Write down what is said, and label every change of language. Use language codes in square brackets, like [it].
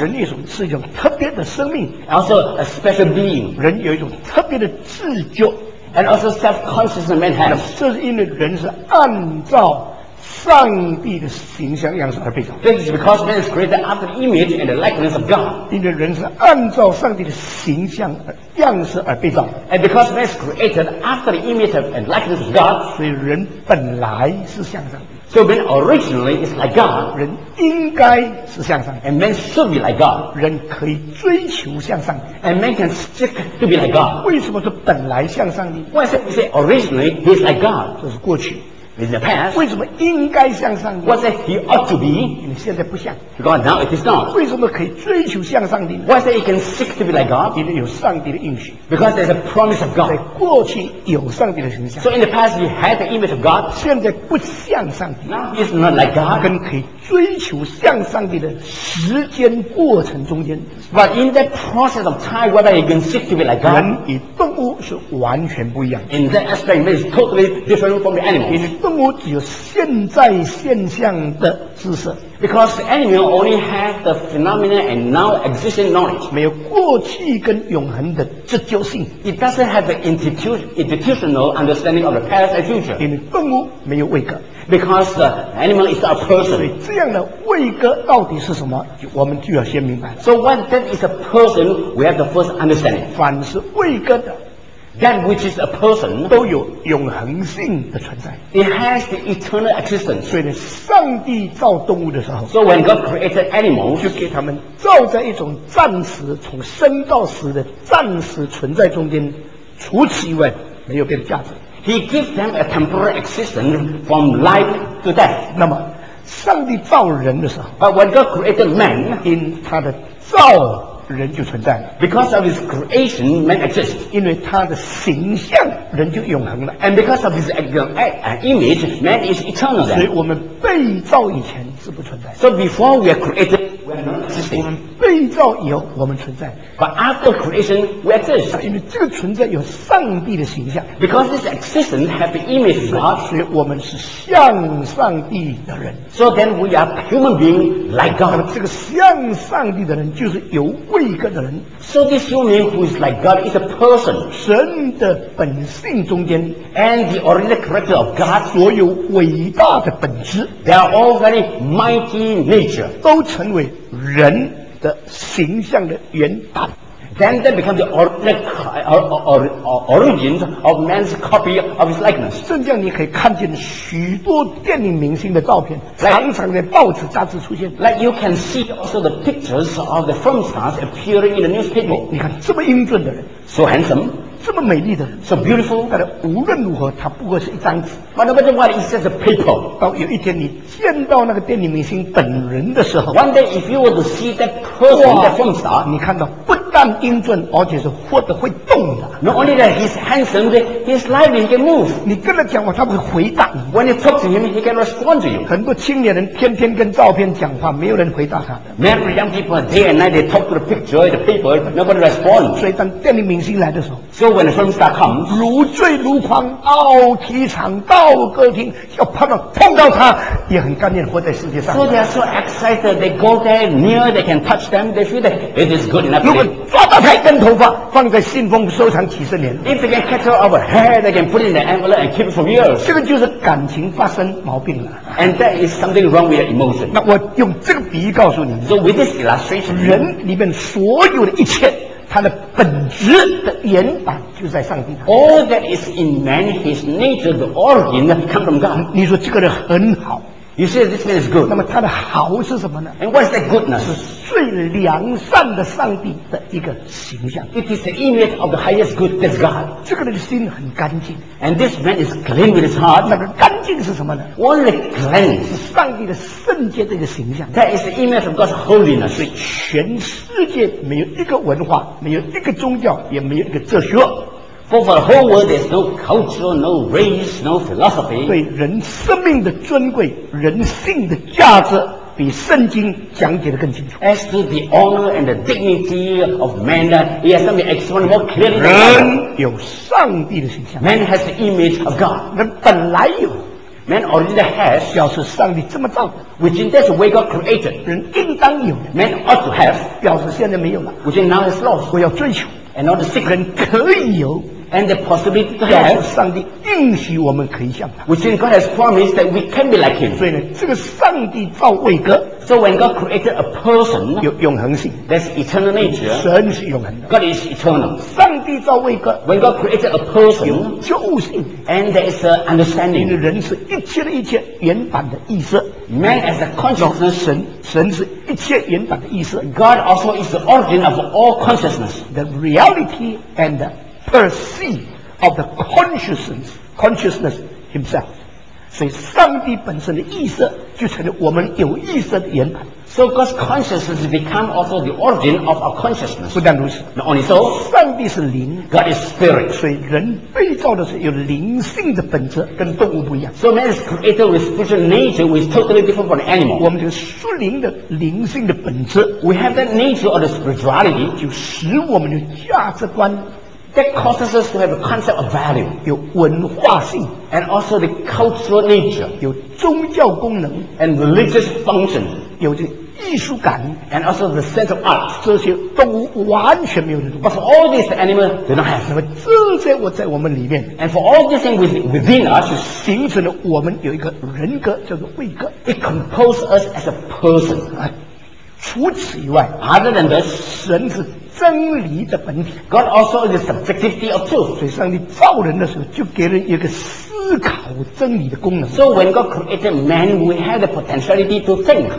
[zh] 人一种是一种特别的生命。 [en] Also a special being. [zh] 人有一种特别的自觉。 [en] And also self-conscious man has. [zh] 这是因为人是按照上帝的形象样式而被造。 [en] This is because man is created after the image and the likeness of God. [zh] 因为人是按照上帝的形象样式而被造。 [en] And because man is created after the image and likeness of God. [zh] 所以人本来是像上帝。 [en] So man originally is like God. [zh] 人应该是像上帝。 [en] And man should be like God. [zh] 人可以追求像上帝。 [en] And man can stick to be like God. [zh] 为什么说本来像上帝？ [en] Why say we say originally he is like God? [zh] 这是过去。 [en] In the past. [zh] 为什么应该像上帝？ [en] Why say he ought to be? [zh] 因为现在不像。 [en] Because now it is not. [zh] 为什么可以追求像上帝？ [en] Why say he can stick to be like God? [zh] 因为有上帝的应许。 [en] Because there's a promise of God. [zh] 在过去有上帝的形象。 [en] So in the past you had the image of God. [zh] 现在不像上帝。 [en] Now it's not like God. [zh] 跟可以追求像上帝的时间过程中间。 [en] But in that process of time, whether he can stick to be like God. [zh] 人与动物是完全不一样。 [en] In that aspect, man is totally different from the animals. [zh] 动物只有现在现象的知识 [en] Because animal only has the phenomena and now existing knowledge [zh] 没有过去跟永恒的自救性 [en] It doesn't have the institutional understanding of the past and future [zh] 因为动物没有位格 [en] Because the animal is a person [zh] 所以这样的位格到底是什么我们就要先明白 [en] So what that is a person we have the first understanding [zh] 凡是位格的 [en] That which is a person [zh] 都有永恒性的存在 [en] It has the eternal existence [zh] 所以上帝造动物的时候 [en] So when God created animals [zh] 就给他们造在一种暂时从生到死的暂时存在中间除此以外没有别的价值 [en] He gives them a temporary existence from life to death. [zh] 那么，上帝造人的时候 [en] ，But when God created man, [zh] in 他的造人就存在了。 [en] Because of his creation, man exists. [zh] 因为他的形象，人就永恒了。 [en] And because of his image, man is eternal. [zh] 所以我们被造以前是不存在的。 [en] So before we are created, we are not existing. [zh] 我们被造以后，我们存在。 [en] But after creation, we exist. [zh] 因为这个存在有上帝的形象。 [en] Because this existence has the image of God. [zh] 所以我们是像上帝的人。 [en] So then we are human being like God. [zh] 那么这个像上帝的人就是有位格的人。 [en] So this human who is like God is a person. [zh] 神的本性中间 [en] and the original character of God. [zh] 所有伟大的本质 [en] they are all very mighty nature. [zh] 都成为人的形象的原版。 [en] Then they become the origins of man's copy of his likeness. [zh] 甚至你可以看见许多电影明星的照片 like, 常常在报纸杂志出现。 [en] Like you can see also the pictures of the film stars appearing in the newspaper. [zh] 你看这么英俊的人 [en] So handsome. [zh] 这么美丽的人 [en] So beautiful. [zh] 但是无论如何他不过是一张纸 [en] But no matter what it's just a paper. [zh] 到有一天你见到那个电影明星本人的时候 [en] One day if you were to see that person, the film star. [zh] 你看到不但英俊，而且是活得会动的。 [en] Not only that he's handsome, he's lively, he can move. [zh] 你跟他讲话，他会回答你。 [en] When you talk to him, he can respond to you. [zh] 很多青年人天天跟照片讲话，没有人回答他的。 [en] Many young people day and night they talk to the picture, the paper, nobody responds. [zh] 所以当电影明星来的时候 [en] ，So when the film star comes, [zh] 如醉如狂，傲气场到歌厅，要碰到他，也很甘愿活在世界上。 [en] So they are so excited, they go there near, they can touch them, they feel that it is good enough. [zh] 抓到他一根头发，放在信封收藏几十年。 [en] If they can catch hold of a hair, they can put it in the envelope and keep it for years. [zh] 这个就是感情发生毛病了。 [en] And that is something wrong with your emotion. [zh] 那我用这个比喻告诉你 [en] ，So with this illustration, [zh] 人里面所有的一切，他的本质的原版就在上帝。 [en] All that is in man, his nature, the origin come from God. [zh] 你说这个人很好。 [en] You say this man is good. [zh] 那么他的好是什么呢 [en] ？And what is that goodness? [zh] 是最良善的上帝的一个形象。 [en] It is the image of the highest good, that's God. [zh] 这个人的心很干净。 [en] And this man is clean with his heart. [zh] 那个干净是什么呢 [en] ？Only clean. [zh] 是上帝的圣洁的一个形象。 [en] That is the image of God's holiness. [zh] 所以全世界没有一个文化，没有一个宗教，也没有一个哲学。 [en] For the whole world, there's no culture, no race, no philosophy. [zh] 对人生命的尊贵，人性的价值，比圣经讲解的更清楚。 [en] As to the honor and the dignity of man, he has something explained more clearly. [zh] 人有上帝的形象。 [en] Man has the image of God. [zh] 人本来有。 [en] Man already has. [zh] 表示上帝这么造的。 [en] Which in that way God created. [zh] 人应当有。 [en] Man ought to have. [zh] 表示现在没有了。 [en] Which now is lost. [zh] 我要追求。 [en] And all the sick [zh] 人可以有 [en] ，and the possibility to have [zh] 上帝应许我们可以像他 [en] ，which God has promised that we can be like him。 [zh] 所以呢，这个上帝造位格 [en] ，so when God created a person [zh] 有永恒性 [en] ，that's eternal nature。 [zh] 神是永恒的 [en] ，God is eternal。 [zh] 上帝造位格 [en] ，when God created a person [zh] 有究竟 [en] ，and there is a understanding。 [zh] 人是一切的一切原版的意思 [en] ，man as a consciousness [zh] 神。神是一切原本的意思。 [en] God also is the origin of all consciousness. The reality and the perceive of the consciousness himself. [zh] 所以上帝本身的意思就成了我们有意识的原本。 [en] So God's consciousness become also the origin of our consciousness. [zh] 不但如此 [en] ，Not only so. [zh] 上帝是灵 [en] ，God is spirit. [zh] 所以人被造的是有灵性的本质，跟动物不一样。 [en] So man is created with spiritual nature, which is totally different from the animal. [zh] 我们这个属灵的灵性的本质 [en] ，We have that nature of the spirituality, [zh] 就使我们的价值观。 [en] That causes us to have a concept of value, [zh] 有文化性 [en] and also the cultural nature, [zh] 有宗教功能 [en] and religious function, [zh] 有这艺术感 [en] and also the sense of art. [zh] 这些动物完全没有的东西 [en] but for all these animals, they don't have. [zh] 那么这些我在我们里面 [en] and for all these things within us, [zh] 形成了我们有一个人格叫做位格 [en] it composes us as a person. [zh] 除此以外 [en] other than this, [zh] 神是真理的本体 [en] God also is the subjectivity of truth [zh] 所以上帝造人的时候就给人一个思考真理的功能 [en] So when God created man we have the potentiality to think